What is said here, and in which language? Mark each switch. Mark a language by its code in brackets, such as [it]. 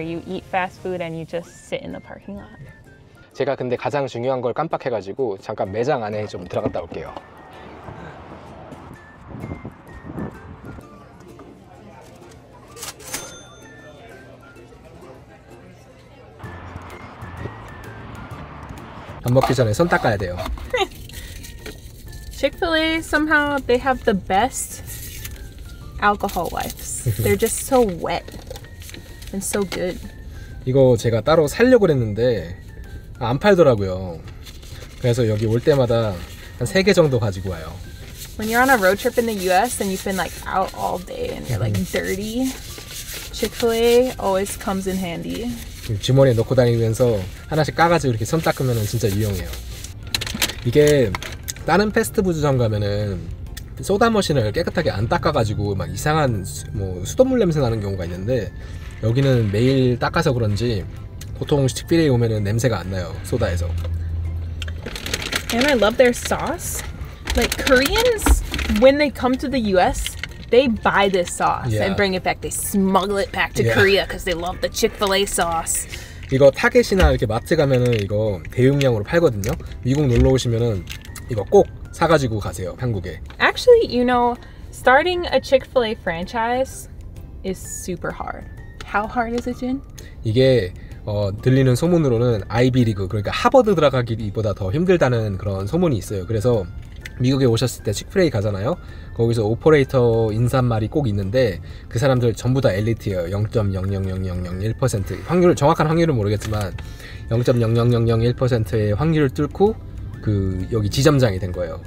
[en] You eat fast food and you just sit in the parking lot. [ko] 제가 근데 가장 중요한 걸 깜빡해가지고 잠깐 매장 안에 좀 들어갔다 올게요. 밥 먹기 전에 손 닦아야 돼요. [en] Chick-fil-A, somehow they have the best alcohol wipes. They're just so wet and so good. [ko] 이거 제가 따로 살려고 했는데 안 팔더라고요. 그래서 여기 올 때마다 한 3개 정도 가지고 와요. [en] When you're on a road trip in the US and you've been like out all day and you're like dirty, Chick-fil-A always comes in handy. [ko] 주머니에 넣고 다니면서 하나씩 까가지고 이렇게 손 닦으면 진짜 유용해요. 이게 다른 패스트푸드점 가면은 소다 머신을 깨끗하게 안 닦아가지고 막 이상한 뭐 수돗물 냄새 나는 경우가 있는데 여기는 매일 닦아서 그런지 보통 식비레 오면은 냄새가 안 나요 소다에서. [en] And I love their sauce. Like Koreans, when they come to the U.S., they buy this sauce yeah. and bring it back. They smuggle it back to yeah. Korea because they love the Chick-fil-A sauce. [ko] 이거 타겟이나 이렇게 마트 가면은 이거 대용량으로 팔거든요. 미국 놀러 오시면은 이거 꼭 사가지고 가세요 한국에. [en] Actually, you know, starting a Chick-fil-A franchise is super hard. How hard is it, Jin? [ko] 이게 들리는 소문으로는 아이비리그 그러니까 하버드 들어가기보다 더 힘들다는 그런 소문이 있어요. 그래서 미국에 오셨을 때 Chick-fil-A 가잖아요. 거기서 오퍼레이터 인사말이 꼭 있는데 그 사람들 전부 다 엘리트예요. 0.00001% 확률 정확한 확률은 모르겠지만 0.00001%의 확률을 뚫고 그 여기 지점장이 된 거예요.